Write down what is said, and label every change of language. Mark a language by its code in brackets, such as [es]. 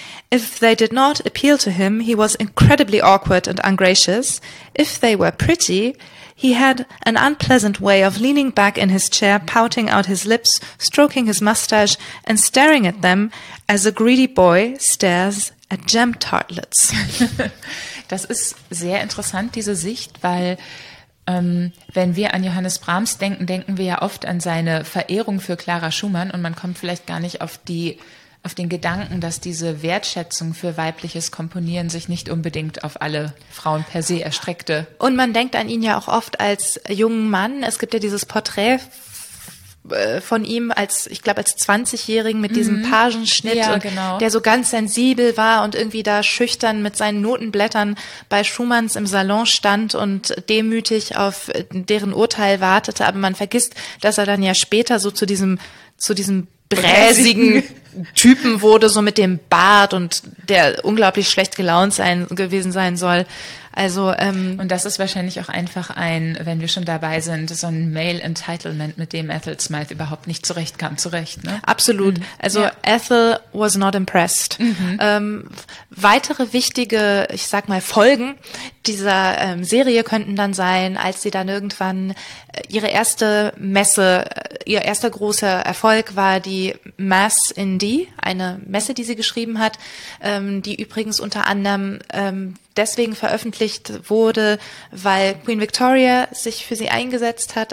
[en] If they did not appeal to him, he was incredibly awkward and ungracious. If they were pretty, he had an unpleasant way of leaning back in his chair, pouting out his lips, stroking his mustache, and staring at them as a greedy boy stares at jam tartlets. [de] Das ist sehr interessant, diese Sicht, weil wenn wir an Johannes Brahms denken, denken wir ja oft an seine Verehrung für Clara Schumann und man kommt vielleicht gar nicht auf den Gedanken, dass diese Wertschätzung für weibliches Komponieren sich nicht unbedingt auf alle Frauen per se erstreckte. Und man denkt an ihn ja auch oft als jungen Mann. Es gibt ja dieses Porträt von ihm als, ich glaube, als 20-Jährigen mit diesem Pagenschnitt, der so ganz sensibel war und irgendwie da schüchtern mit seinen Notenblättern bei Schumanns im Salon stand und demütig auf deren Urteil wartete. Aber man vergisst, dass er dann ja später so zu diesem bräsigen Typen wurde, so mit dem Bart und der unglaublich schlecht gelaunt gewesen sein soll. Also und das ist wahrscheinlich auch einfach ein, wenn wir schon dabei sind, so ein Male Entitlement, mit dem Ethel Smyth überhaupt nicht zurechtkam, ne? Absolut. Also ja. [en] Ethel was not impressed. [de] Weitere wichtige, ich sag mal, Folgen dieser Serie könnten dann sein, als sie dann irgendwann ihre erste Messe, ihr erster großer Erfolg war die Mass in D, eine Messe, die sie geschrieben hat, die übrigens unter anderem deswegen veröffentlicht wurde, weil Queen Victoria sich für sie eingesetzt hat.